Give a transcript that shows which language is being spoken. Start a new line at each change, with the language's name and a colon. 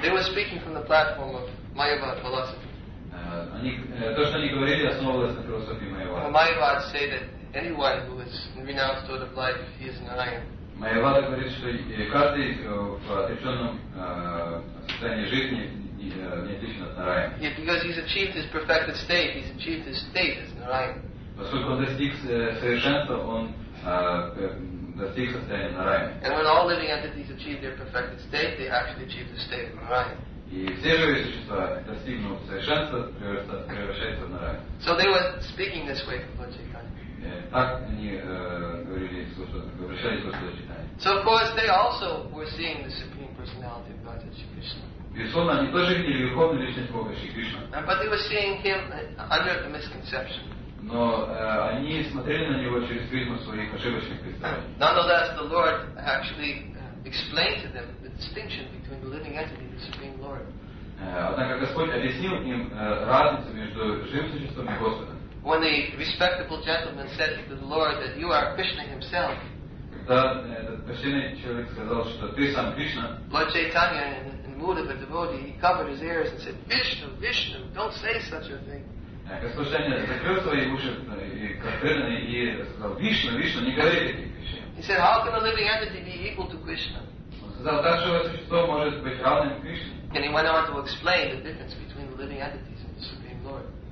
English: They were speaking from the platform of Mayavada philosophy.
Russian: То, что они говорили, основывалось на философии Майявады.
English: Майявада say that anyone who has renounced order of life, he is Narayan.
Russian: Майявада говорит, что каждый в отреченном состоянии жизни не отличен от Нараяна.
English: Yeah, because he's achieved his perfected state, he's achieved his state as Narayan.
Russian: Поскольку он достиг совершенства, он достиг состояния Нараяна.
English: And when all living entities achieve their perfected state, they actually achieve the state of Narayan.
Russian: И все живые существа достигнут совершенства, превращаются в Нараяну.
English: So they were speaking this way to Lord Chaitanya.
Russian: Так они говорили, обращались к Лорду Чайтанье.
English: So of course they also were seeing the Supreme Personality of Godhead Shri Krishna.
Russian: Безусловно, они тоже видели Верховную Личность Бога Шри Кришна.
English: But they were seeing him under a misconception.
Russian: Но они смотрели на него через призму своих ошибочных представлений.
English: Nonetheless, the Lord actually explained to them the distinction between the living entity and the Supreme Lord.
Russian: Однако Господь объяснил им разницу между живым существом и Господом.
English: When the respectable gentleman said to the Lord that you are Krishna himself,
Russian: когда этот почтенный человек сказал, что ты сам Кришна,
English: Lord Chaitanya, in the mood of a devotee, he covered his ears and said, Vishnu, Vishnu, don't say such a thing.
Russian: Господь Chaitanya закрыл свои уши и сказал, Вишну, Вишну, не говори такие вещи.
English: He said, how can a living entity be equal to Krishna? And he went on to explain the difference between the living entities and the Supreme Lord.